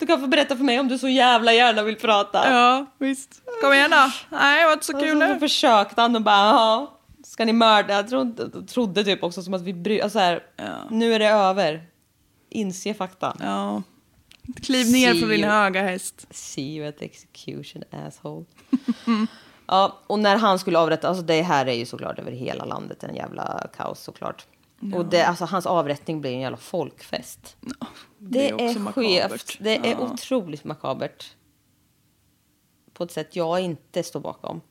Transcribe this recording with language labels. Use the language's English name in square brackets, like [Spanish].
[Swedish] Du kan få berätta för mig om du så jävla gärna vill prata. Ja, visst. Kom igen då. Nej, det var inte så kul. Och så försökte han och bara, ja. Ska ni mörda? Jag trodde typ också som att vi bryr... Alltså här, ja. Nu är det över. Inse fakta. Ja. Kliv ner på din höga häst. [English] See you at execution, asshole. [Swedish] Ja, och när han skulle avrätta, alltså det här är ju såklart över hela landet en jävla kaos såklart. Ja. Och det, alltså hans avrättning blir en jävla folkfest. Ja, det är också makabert. Det är otroligt makabert. På ett sätt jag inte står bakom.